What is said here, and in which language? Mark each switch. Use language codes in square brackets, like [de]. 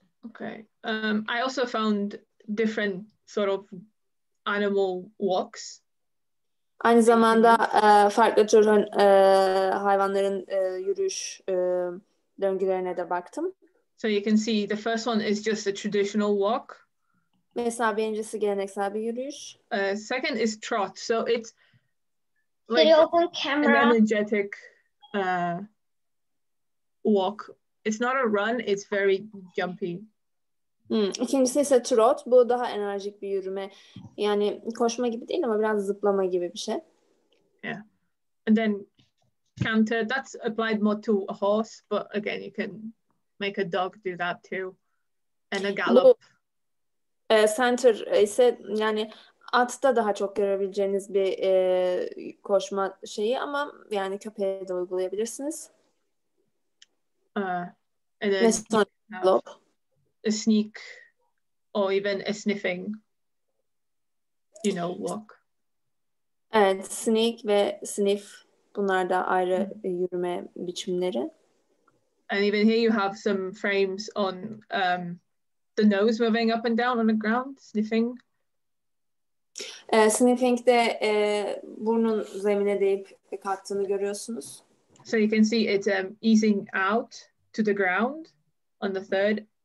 [en] Okay. I also found different sort of animal walks. [tr] Aynı zamanda farklı tür hayvanların yürüyüş döngülerine de baktım. [en] So you can see the first one is just a traditional walk. [tr] Mesela birincisi geleneksel bir yürüyüş. [en] Second is trot. So it's like can you open camera? An energetic walk. It's not a run, it's very jumpy. [tr] İkincisi ise trot. Bu daha enerjik bir yürüme. Yani koşma gibi değil ama biraz zıplama gibi bir şey. [en] Yeah. And then canter, that's applied more to a horse, but again you can make a dog do that too. And a gallop. Bu, [tr] center ise yani atta daha çok görebileceğiniz bir koşma şeyi ama yani köpeğe de uygulayabilirsiniz. [en] And then gallop. A sneak or even a sniffing, you know, walk. [tr] Evet, sneak ve sniff bunlar da ayrı yürüme biçimleri. [en] And even here you have some frames on the nose moving up and down on the ground, sniffing. [tr] Sniffing de burnun zemine değip kattığını görüyorsunuz. [en] So you can see it's easing out to the ground on the third.